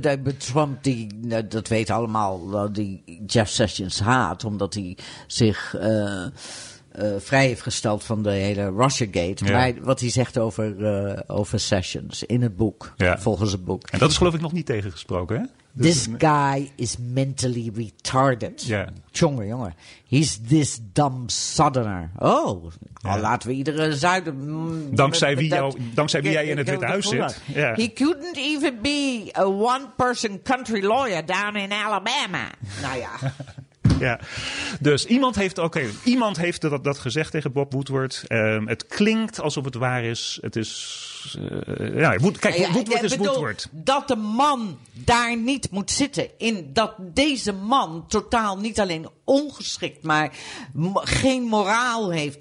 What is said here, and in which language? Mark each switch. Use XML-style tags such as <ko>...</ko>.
<nl>Nog even te Trump, die dat weet allemaal, die Jeff Sessions haat, omdat hij zich vrij heeft gesteld van de hele Russiagate. Ja. Maar wat hij zegt over Sessions in het boek, volgens het boek. En dat is geloof ik nog niet tegengesproken, hè?</nl> <en>This guy is mentally retarded.</en> <nl>Ja. Tjonger, jongen.</nl> <en>He's this dumb southerner.</en> <nl>Oh, laten we iedere zuiden... Dankzij wie jij in het Witte Huis zit.</nl> <en>Yeah. He couldn't even be a one-person country lawyer down in Alabama.</en> <nl>Nou ja. Ja. Dus iemand heeft, iemand heeft dat gezegd tegen Bob Woodward. Het klinkt alsof het waar is. Het is. Woodward is Woodward. Dat de man daar niet moet zitten. In dat deze man totaal niet alleen ongeschikt, maar geen moraal heeft.</nl>